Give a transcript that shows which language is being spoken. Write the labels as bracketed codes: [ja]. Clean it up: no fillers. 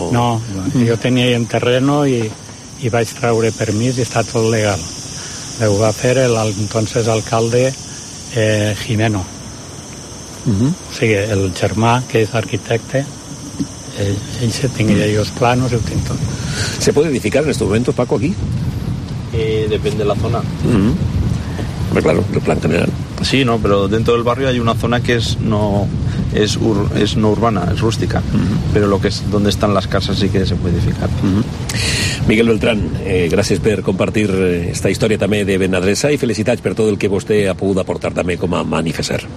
[ca] No, jo tenia el terreno i vaig traure permís i està tot legal. Ho va fer l'entonces alcalde Gimeno. O sigui, el germà, que és arquitecte, ell se tingui allò els planos i ho tinc tot. [es] ¿Se puede edificar en estos momentos, Paco, aquí? Depende de la zona. Pero claro, el Plan General. Sí, no, pero dentro del barrio hay una zona que es no urbana, es rústica, pero lo que es donde están las casas sí que se puede edificar. [ca] Miguel Beltrán, gràcies per compartir esta història també de Benadresa i felicitats per tot el que vostè ha pogut aportar també com a manifestar.